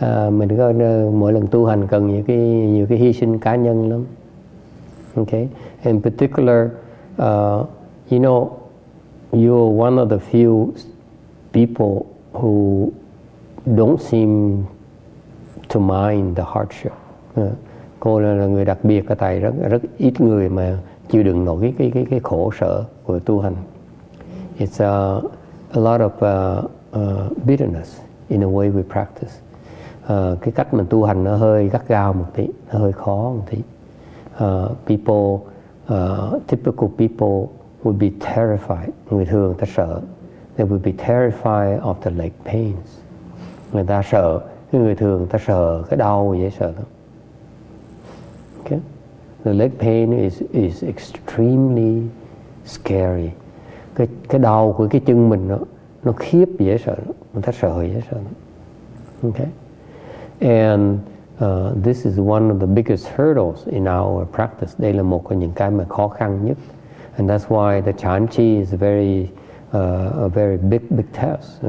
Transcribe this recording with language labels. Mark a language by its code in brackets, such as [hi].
[vi] mình có mỗi lần tu hành cần nhiều cái hy sinh cá nhân lắm. [en] Okay, in particular, you know, you're one of the few people who don't seem to mind the hardship. [vi] Cô là người đặc biệt, cái tài rất ít người mà chịu đựng nổi cái khổ sở của tu hành. [en] It's a lot of bitterness in the way we practice. [vi] Cái cách mình tu hành nó hơi gắt gao một tí, nó hơi khó một tí. [en] Typical people would be terrified. [vi] Người thường ta sợ. [en] They would be terrified of the leg pains. [vi] Người ta sợ, người thường ta sợ cái đau dễ sợ lắm. Okay. [en] The leg pain is extremely scary. [vi] Cái đau của cái chân mình nó khiếp dễ sợ, người ta sợ dễ sợ. [en] Okay. And this is one of the biggest hurdles in our practice. [vi] Đây là một trong những cái mà khó khăn nhất. [en] And that's why the Chan Chi is a very big test.